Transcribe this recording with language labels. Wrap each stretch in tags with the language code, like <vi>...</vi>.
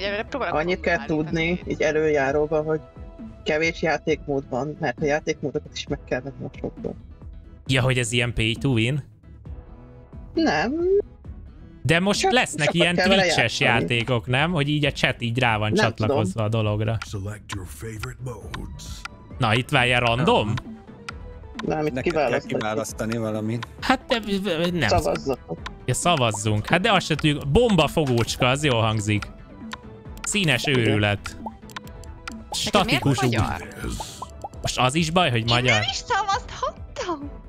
<hu>Annyit kell tudni, így előjáróban, hogy kevés játékmód van, mert a játékmódokat is meg kell venni a sokból. Ja, hogy ez ilyen pay to win? Nem. De most lesznek ilyen Twitch-es játékok, nem? Hogy így a chat így rá van csatlakozva a dologra.</hu> <en>Select your favorite modes.</en> <hu>Na, itt várja random? Nem, itt kiválasztani. Neked kell kiválasztani valamit. Hát de, nem. Szavazzatok. Ja, szavazzunk. Hát de azt se tudjuk. Bomba fogócska, az jól hangzik. Színes őrület. Statikus úr. Most az is baj, hogy magyar. Én nem is szavazhattam.</hu>